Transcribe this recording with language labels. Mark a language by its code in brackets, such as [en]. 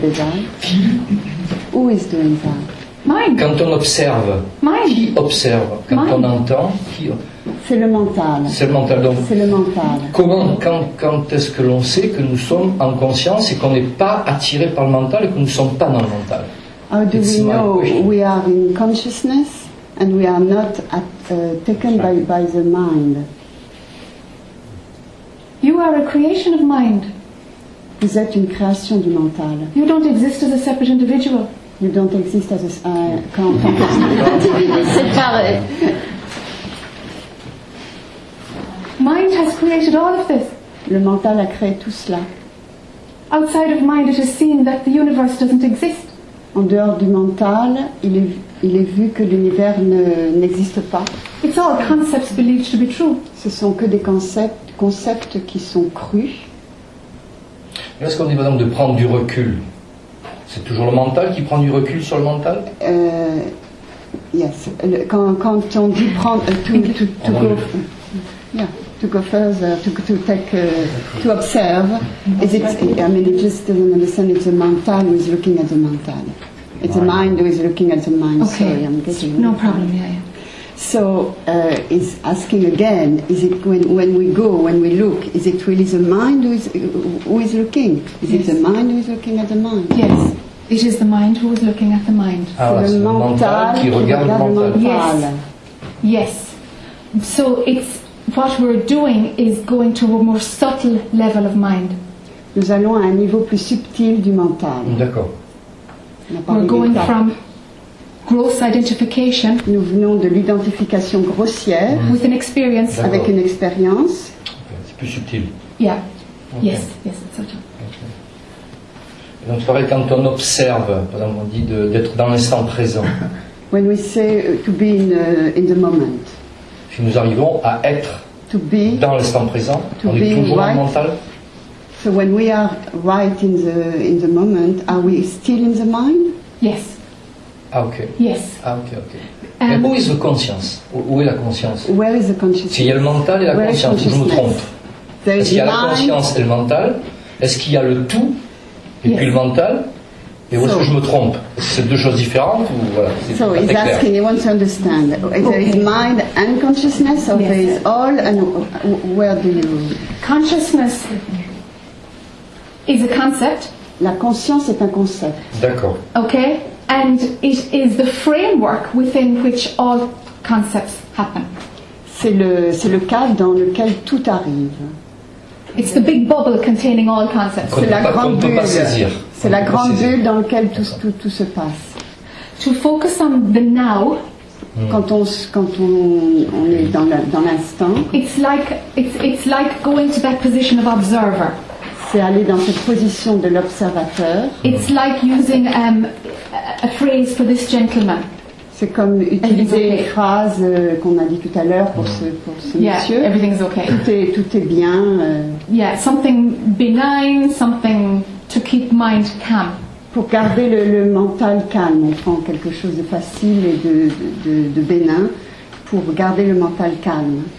[en] the desire. Who is doing that? Mind. [fr] Quand on observe, [en] mind. [fr] Qui observe? Quand [en] mind. [fr] On entend, qui? C'est le mental. C'est le mental. Donc, c'est le mental. Comment, quand est-ce que l'on sait que nous sommes en conscience et qu'on n'est pas attiré par le mental et que nous ne sommes pas dans le mental? [en] How do we know we are in consciousness and we are not taken by the mind? You are a creation of mind. [fr] Vous êtes une création du mental. [en] You don't exist as a separate individual. You don't exist as a separate. Mind has created all of this. [fr] Le mental a créé tout cela. [en] Outside of mind, it is seen that the universe doesn't exist. [fr] En dehors du mental, il est vu que l'univers n'existe pas. [en] It's all concepts believed to be true. [fr] Ce sont que des concepts qui sont crus. Lorsqu'on dit par exemple de prendre du recul, c'est toujours le mental qui prend du recul sur le mental? [en] Yes. [fr] Quand on dit prendre [en] to observe, it just doesn't understand. It's the mental who is looking at the mental. It's the mind who is looking at the mind. Okay. Sorry, I'm getting no problem. Yeah. So he's asking again: is it when we go, when we look, is it really the mind who is looking? Is it the mind who is looking at the mind? Yes. It is the mind who is looking at the mind. [fr] Le mental qui regarde le mental. [en] Yes. Yes. So it's. What we're doing is going to a more subtle level of mind. [fr] Nous allons à un niveau plus subtil du mental. D'accord. [en] We're going from gross identification. [fr] Nous venons de l'identification grossière. [en] Mm-hmm. With an experience. [fr] D'accord. Avec une expérience. Okay. C'est plus subtil. [en] Yeah. Okay. Yes, it's subtle. Okay. [fr] Donc, pareil, quand on observe, par exemple, on dit d'être dans l'instant présent. [en] When we say to be in the moment. [fr] Si nous arrivons à être dans l'instant présent, on est toujours dans le mental. [en] So when we are right in the moment, are we still in the mind? Yes. Ah okay. Yes. [fr] Ah okay. Et où est la conscience? Où est la conscience? [en] Where is the consciousness? [fr] S'il y a le mental et la conscience, je me trompe. [en] There [fr] Est-ce qu'il y a la conscience et le mental? Est-ce qu'il y a le tout et puis le mental? Et où est-ce que je me trompe? C'est deux choses différentes ou voilà? [en] So he's asking, he wants to understand. There is mind and consciousness, or there is all, and where do you? Consciousness is a concept. [fr] La conscience est un concept. D'accord. [en] Okay, and it is the framework within which all concepts happen. [fr] C'est le cadre dans lequel tout arrive. It's the big bubble containing all concepts. C'est la grande bulle. C'est la grande bulle dans laquelle tout se passe. [en] To focus on the now, [fr] quand on est dans l'instant, [en] it's like going to that position of observer. [fr] C'est aller dans cette position de l'observateur. [en] It's like using a phrase for this gentleman. [fr] C'est comme utiliser une phrase qu'on a dit tout à l'heure pour ce monsieur. [en] Everything's okay. [fr] Tout est bien. [en] Yeah, something benign, something to keep mind calm. [fr] Pour garder le mental calme, on prend quelque chose de facile et de bénin pour garder le mental calme.